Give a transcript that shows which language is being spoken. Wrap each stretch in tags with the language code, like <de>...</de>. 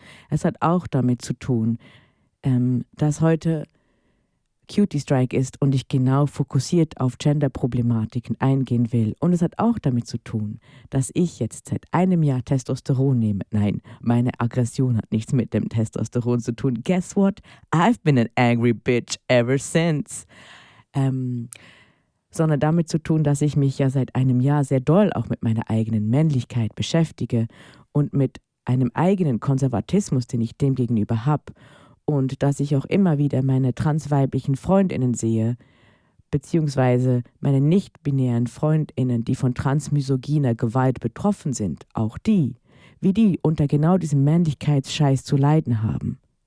<de>Es hat auch damit zu tun, dass heute Cutie Strike ist und ich genau fokussiert auf Gender-Problematiken eingehen will. Und es hat auch damit zu tun, dass ich jetzt seit einem Jahr Testosteron nehme. Nein, meine Aggression hat nichts mit dem Testosteron zu tun.</de> <en>Guess what? I've been an angry bitch ever since.</en> <de>sondern damit zu tun, dass ich mich ja seit einem Jahr sehr doll auch mit meiner eigenen Männlichkeit beschäftige und mit einem eigenen Konservatismus, den ich demgegenüber habe, und dass ich auch immer wieder meine transweiblichen Freundinnen sehe, beziehungsweise meine nicht-binären Freundinnen, die von transmisogyner Gewalt betroffen sind, auch die, wie die unter genau diesem Männlichkeitsscheiß zu leiden haben.</de>